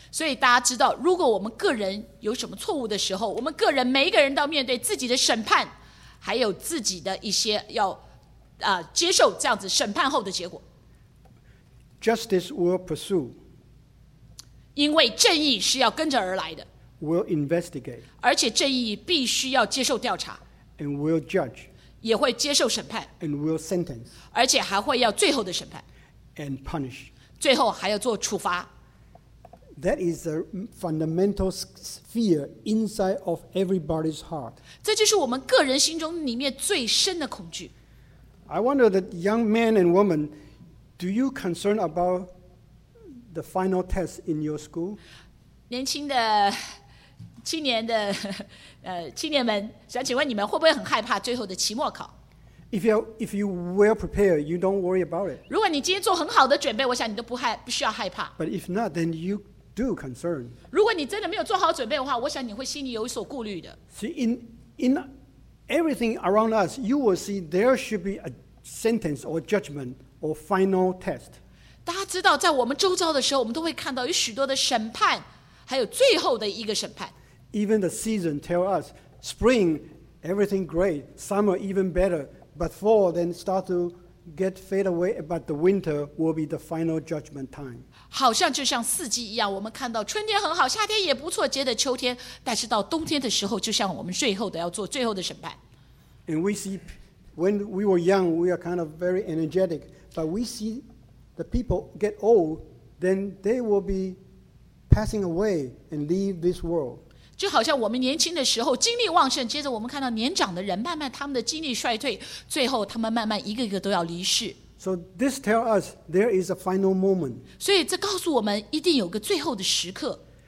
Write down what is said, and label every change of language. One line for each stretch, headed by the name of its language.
Chinese: 所以大家知道，如果我们个人有什么错误的时候，我们个人每一个人都要面对自己的审判，还有自己的一些要、接受这样子审判后的结果。
English: Justice will pursue，
Chinese: 因为正义是要跟着而来的。
English: Will investigate，
Chinese: 而且正义必须要接受调查。
English: And will judge，
Chinese: 也会接受审判。
English: And will sentence，
Chinese: 而且还会要最后的审判。
English: And punish，
Chinese: 最后还要做处罚。
English: That is the fundamental fear inside of everybody's heart.
Chinese: 这就是我们个人心中里面最深的恐惧。
English: I wonder that young men and women, do you concern about the final test in your school?
Chinese: 年轻的青年的青年们，想请问你们会不会很害怕最后的期末考？
English: If you well prepared, you don't worry about it.
Chinese: 如果你今天做很好的准备，我想你都不需要害怕。
English: But if not, then you do concern.
Chinese: 如果你真的没有做好准备的话，我想你会心里有所顾虑的。
English: See, in everything around us, you will see there should be a sentence or judgment or final test.
Chinese: 大家知道，在我们周遭的时候，我们都会看到有许多的审判，还有最后的一个审判。
English: Even the season tell us, spring, everything great, summer even better, but fall then start to get fade away, but the winter will be the final judgment time.
Chinese: 好像就像四季一样，我们看到春天很好，夏天也不错，接着秋天，但是到冬天的时候，就像我们最后的要做最后的审判。
English: And we see, when we were young, we are kind of very energetic, but we see the people get old, then they will be passing away and leave this world.
Chinese: 就好像我们年轻的时候精力旺盛，接着我们看到年长的人慢慢他们的精力衰退，最后他们慢慢一个一个都要离世。
English: So this tells us there is a final moment.
Chinese: 所以这告诉我们一定有个最后的时刻。